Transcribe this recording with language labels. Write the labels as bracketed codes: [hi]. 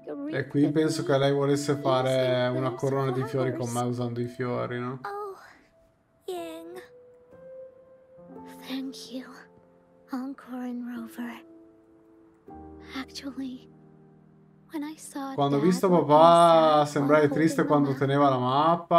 [it] E qui penso che lei volesse fare una corona di fiori con me usando i fiori, no? [en] Oh, Ying. Thank you, Encore and Rover. Actually, [it] Quando ho visto papà, sembrai triste quando teneva la mappa.